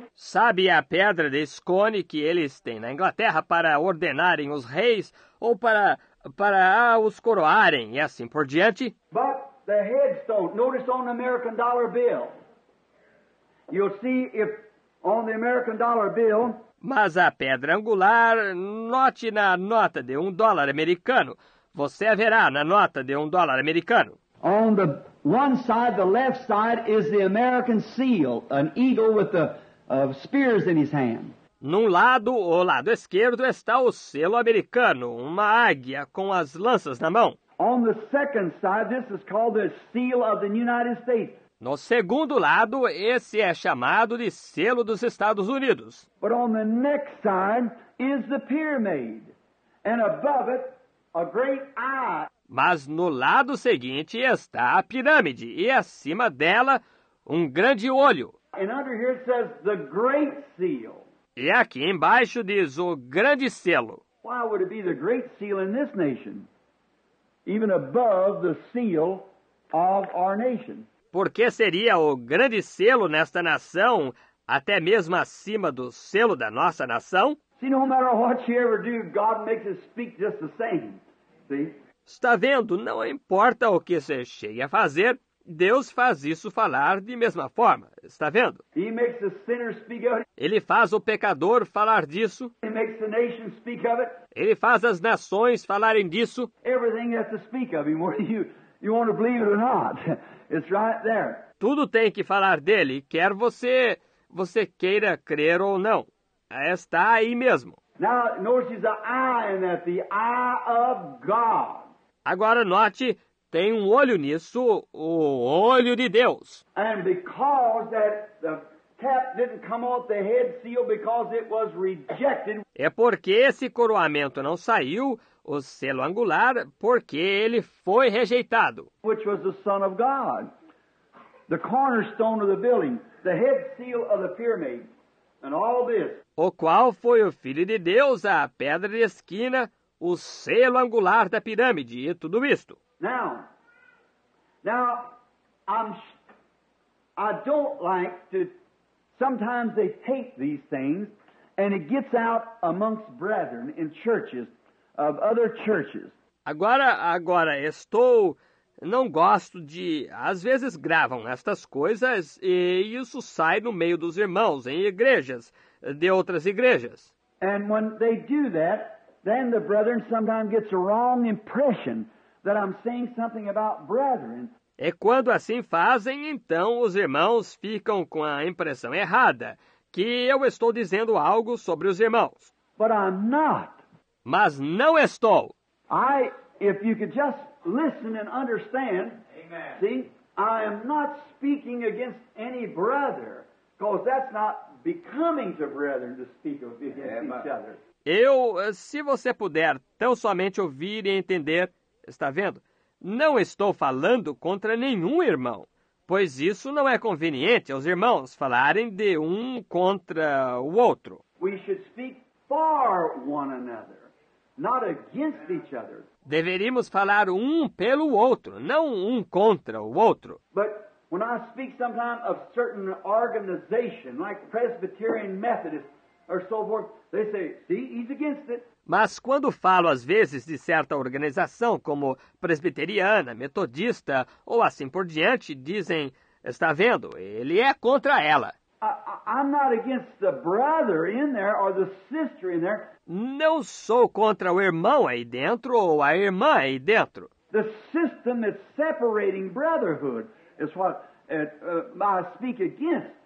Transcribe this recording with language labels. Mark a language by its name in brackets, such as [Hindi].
[Portuguese] Sabe a pedra de Scone que eles têm na Inglaterra para ordenarem os reis ou para os coroarem e assim por diante? [English] But the headstone, notice on the American dollar bill. You'll see if on the American dollar bill. [Portuguese] Mas a pedra angular, note na nota de $1 americano. Você verá na nota de $1 americano. [English] On the one side, the left side, is the American seal, an eagle with the spears in his hand. [Portuguese] Num lado, o lado esquerdo, está o selo americano, uma águia com as lanças na mão. [English] On the second side, this is called the seal of the United States. [Portuguese] No segundo lado, esse é chamado de selo dos Estados Unidos. [English] But on the next side is the pyramid, and above it, a great eye. [Portuguese] Mas no lado seguinte está a pirâmide, e acima dela, um grande olho. [English] And under here it says the great seal. [Portuguese] E aqui embaixo diz o grande selo. [English] Why would it be the great seal in this nation, even above the seal of our nation? [Portuguese] Por que seria o grande selo nesta nação, até mesmo acima do selo da nossa nação? [English] See, no matter what you ever do, God makes it speak just the same. See? [Portuguese] Está vendo? Não importa o que você chegue a fazer, Deus faz isso falar de mesma forma. Está vendo? [English] He makes the sinner speak of it. [Portuguese] Ele faz o pecador falar disso. [English] He makes the nation speak of it. [Portuguese] Ele faz as nações falarem disso. [English] Everything has to speak of him, whether you want to believe it or not. It's right there. [Portuguese] Tudo tem que falar dele, quer você queira crer ou não. Está aí mesmo. [English] Now, notice the eye in that, the eye of God. [Portuguese] Agora note, tem um olho nisso, o olho de Deus. [English] And because that the cap didn't come off the head seal because it was rejected. [Portuguese] É porque esse coroamento não saiu, o selo angular, porque ele foi rejeitado. [English] Which was the Son of God, the cornerstone of the building, the head seal of the pyramid, and all this. [Portuguese] O qual foi o Filho de Deus, a pedra de esquina, o selo angular da pirâmide e tudo isto. [English] Now, I don't like to. Sometimes they take these things, and it gets out amongst brethren in churches of other churches. [Portuguese] Agora estou. Não gosto de. Às vezes gravam estas coisas e isso sai no meio dos irmãos em igrejas de outras igrejas. [English] And when they do that, then the brethren sometimes gets a wrong impression that I'm saying something about brethren. [Portuguese] E quando assim fazem, então os irmãos ficam com a impressão errada que eu estou dizendo algo sobre os irmãos. [English] But I'm not. [Portuguese] Mas não estou. [English] If you could just listen and understand. Amen. See, I am not speaking against any brother, because that's not becoming to brethren to speak against each other. [Portuguese] Eu, se você puder tão somente ouvir e entender, está vendo? Não estou falando contra nenhum irmão, pois isso não é conveniente aos irmãos falarem de um contra o outro. [English] We should speak for one another, not against each other. [Portuguese] Deveríamos falar um pelo outro, não um contra o outro. [English] But when I speak sometimes of certain organization, like Presbyterian Methodist, or so forth, they say, see, he's against it. [Portuguese] Mas quando falo às vezes de certa organização, como presbiteriana, metodista, ou assim por diante, dizem, está vendo, ele é contra ela. [English] I'm not against the brother in there or the sister in there. [Portuguese] Não sou contra o irmão aí dentro ou a irmã aí dentro. [English] The system that's separating brotherhood is what I speak against.